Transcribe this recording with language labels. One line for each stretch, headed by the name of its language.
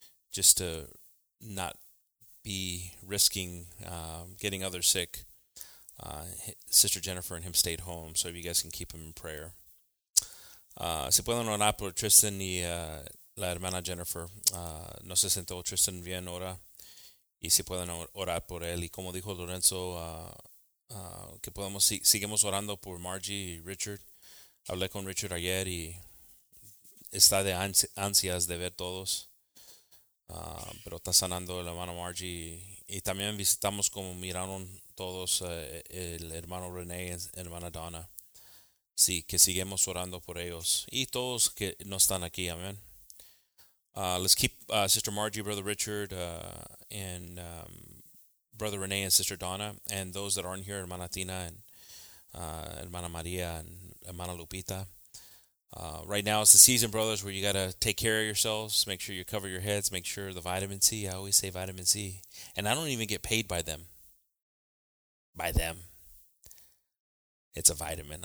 English: Just to not be risking getting others sick. Sister Jennifer and him stayed home, so if you guys can keep him in prayer.
Spanish: Se pueden orar por Tristan y la hermana Jennifer. No se sentó Tristan bien ahora. Y se pueden orar por él. Y como dijo Lorenzo, que podemos sigamos orando por Margie y Richard. Hablé con Richard ayer y está de ansias de ver todos. Pero está sanando el hermano Margie y también visitamos como miraron todos el hermano René y hermana Donna. Sí, que seguimos orando por ellos y todos que no están aquí, amén.
English: Let's keep Sister Margie, Brother Richard, and Brother René and Sister Donna, and those that aren't here, hermana Tina and hermana María and hermana Lupita. Right now is the season, brothers, where you got to take care of yourselves, make sure you cover your heads, make sure the vitamin C, I always say vitamin C, and I don't even get paid by them. By them. It's a vitamin.